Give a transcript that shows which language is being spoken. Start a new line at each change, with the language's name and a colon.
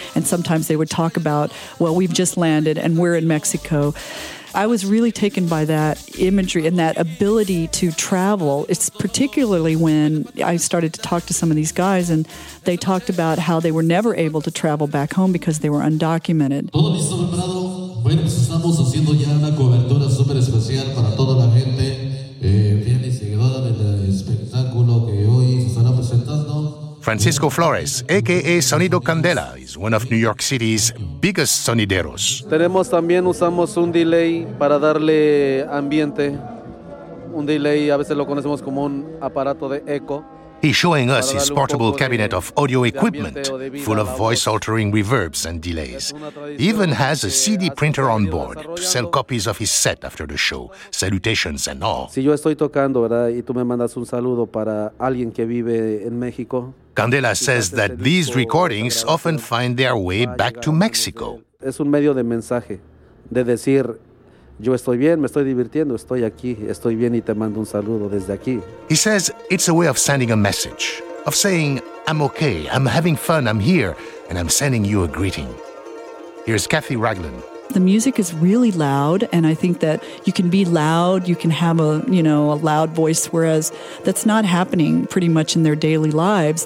English: And sometimes they would talk about, well, we've just landed and we're in Mexico. I was really taken by that imagery and that ability to travel. It's particularly when I started to talk to some of these guys, and they talked about how they were never able to travel back home because they were undocumented.
Spanish: ¿Todo listo, preparado? Bueno, pues estamos haciendo ya una cobertura súper especial para toda la gente, fiel y seguidora del espectáculo que hoy se estará presentando.
English: Francisco Flores, a.k.a. Sonido Candela, is one of New York City's biggest sonideros.
Spanish: Tenemos también, usamos un delay para darle ambiente. Un delay, a veces lo conocemos como un aparato de eco.
English: He's showing us his portable cabinet of audio equipment, full of voice-altering reverbs and delays. He even has a CD printer on board to sell copies of his set after the show, salutations and all.
Spanish: Si yo estoy tocando, ¿verdad? Y tú me mandas un saludo para alguien que vive en México.
English: Candela says that these recordings often find their way back to Mexico.
Spanish: Es un medio de mensaje, de decir, yo estoy bien, me estoy divirtiendo, estoy aquí, estoy bien y te mando un saludo desde aquí.
English: He says it's a way of sending a message, of saying, I'm okay, I'm having fun, I'm here, and I'm sending you a greeting. Here's Kathy Ragland. The music is really loud, and I think that you can be loud, you can have a loud voice, whereas that's not happening pretty much in their daily lives.